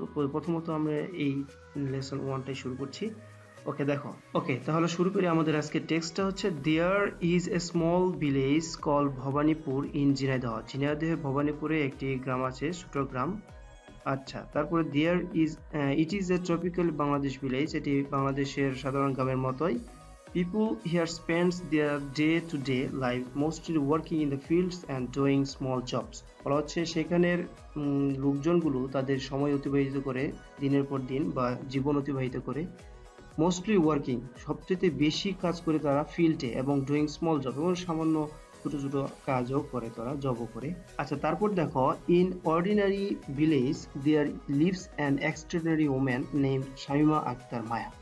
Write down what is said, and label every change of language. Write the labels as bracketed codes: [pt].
[bn] তো প্রথমত আমরা এই লেসন 1টাই শুরু করছি। ওকে দেখো, ওকে তাহলে শুরু করি। আমাদের আজকে টেক্সটটা হচ্ছে, [en] There is a small village call Bhabanipur in Jhenaidah. [bn] ঝিনাইদহে ভবানীপুরে একটি গ্রাম আছে, ছোট গ্রাম। আচ্ছা, তারপরে [en] There is, it is a tropical Bangladesh village. [bn] এটি বাংলাদেশের সাধারণ গ্রামের মতোই। [en] People here spends their day-to-day life mostly working in the fields and doing small jobs. [bn] বলা হচ্ছে সেখানের লোকজনগুলো তাদের সময় অতিবাহিত করে দিনের পর দিন বা জীবন অতিবাহিত করে, [en] mostly working, [bn] সবচেয়ে বেশি কাজ করে তারা ফিল্ডে, এবং [en] doing small job, [bn] এবং সামান্য ছোটো ছোটো কাজও করে তারা, জবও করে। আচ্ছা, তারপর দেখো, [en] In ordinary village there lives an extraordinary woman name Shamima Akter Maya.